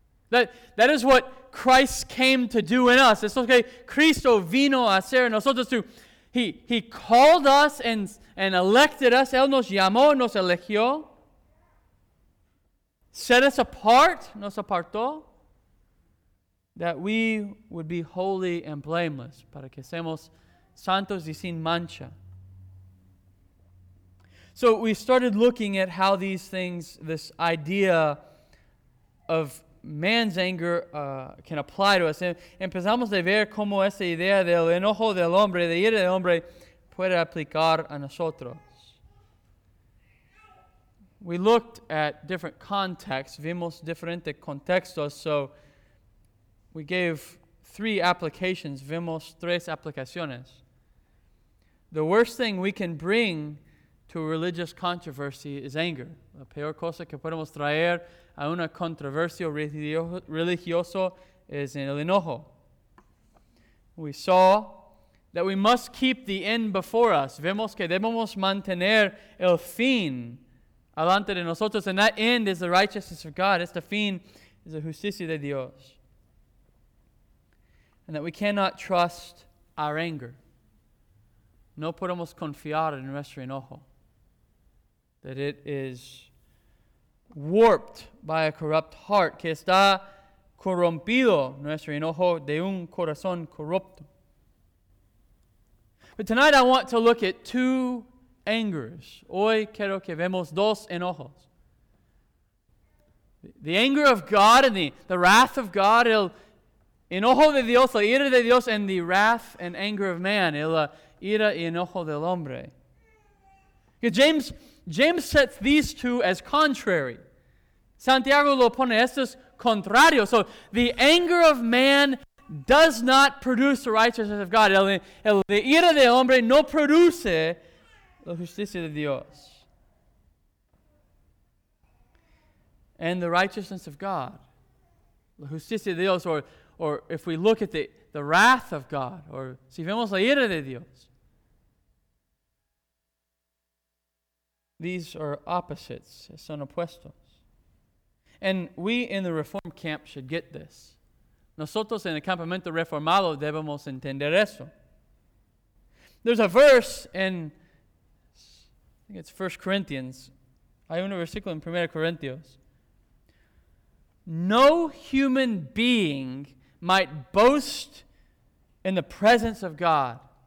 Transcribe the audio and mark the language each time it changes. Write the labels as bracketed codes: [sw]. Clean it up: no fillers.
[en] That is what Christ came to do in us. [es] Es lo que Cristo vino a hacer en nosotros. [en] He called us and elected us. [es] Él nos llamó, nos eligió. [en] Set us apart, [es] nos apartó. [en] That we would be holy and blameless, [es] para que seamos santos y sin mancha. [en] So we started looking at how these things, this idea of man's anger can apply to us. [es] Empezamos a ver cómo esa idea del enojo del hombre, de ira del hombre, puede aplicar a nosotros. [en] We looked at different contexts. [es] Vimos diferentes contextos. [en] So we gave three applications. [es] Vimos tres aplicaciones. [en] The worst thing we can bring to a religious controversy is anger. [es] La peor cosa que podemos traer a una controversia religiosa es el enojo. [en] We saw that we must keep the end before us. [es] Vemos que debemos mantener el fin delante de nosotros, [en] and that end is the righteousness of God. It's the fin, is the [es] justicia de Dios. [en] And that we cannot trust our anger. [es] No podemos confiar en nuestro enojo. [en] That it is warped by a corrupt heart. [es] Que está corrompido nuestro enojo de un corazón corrupto. [en] But tonight I want to look at two angers. [es] Hoy quiero que vemos dos enojos. [en] The anger of God and the wrath of God. [es] El enojo de Dios, la ira de Dios, [en] and the wrath and anger of man. [es] El ira y enojo del hombre. [en] James sets these two as contrary. [es] Santiago lo pone, esto es contrario. [en] So the anger of man does not produce the righteousness of God. [es] El ira del hombre no produce la justicia de Dios. [en] And the righteousness of God, [es] la justicia de Dios, [en] or if we look at the wrath of God, or [es] si vemos la ira de Dios, [en] these are opposites, [es] son opuestos. [en] And we in the Reformed camp should get this. [es] Nosotros en el campamento reformado debemos entender eso. [en] There's a verse in, I think it's 1 Corinthians. [es] Hay un versículo en [en] 1 Corinthians. No human being might boast in the presence of God.